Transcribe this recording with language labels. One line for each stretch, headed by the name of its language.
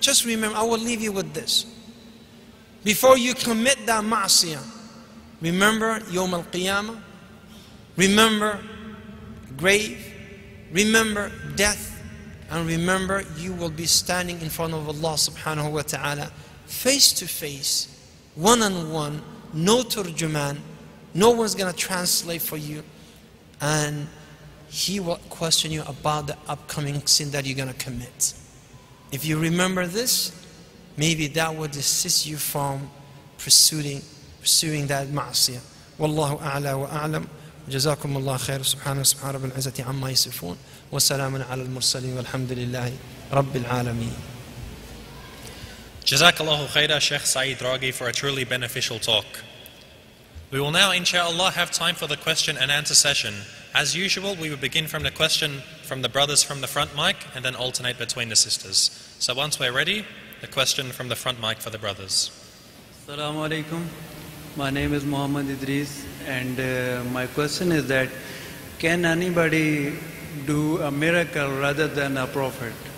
English: Just remember, I will leave you with this. Before you commit that ma'siyah, remember Yawm al-Qiyamah, remember grave, remember death, and remember you will be standing in front of Allah subhanahu wa ta'ala face to face, one on one, no turjuman, no one's going to translate for you, and he will question you about the upcoming sin that you're going to commit. If you remember this, maybe that would assist you from pursuing that ma'asiyah.
Arabic: Wallahu a'la wa a'lam. جزاكم الله خير سبحانه سبحانه رب العزة عما يصفون وسلام على المرسلين والحمد لله رب العالمين. جزاك الله خير شيخ سعيد راغي
English: for a truly beneficial talk. We will now inshallah have time for the question and answer session. As usual, we will begin from the question from the brothers from the front mic and then alternate between the sisters. So once we're ready, the question from the front mic for the brothers.
Arabic: السلام عليكم.
English: My name is Muhammad Idris, and my question is that can anybody do a miracle rather than a prophet?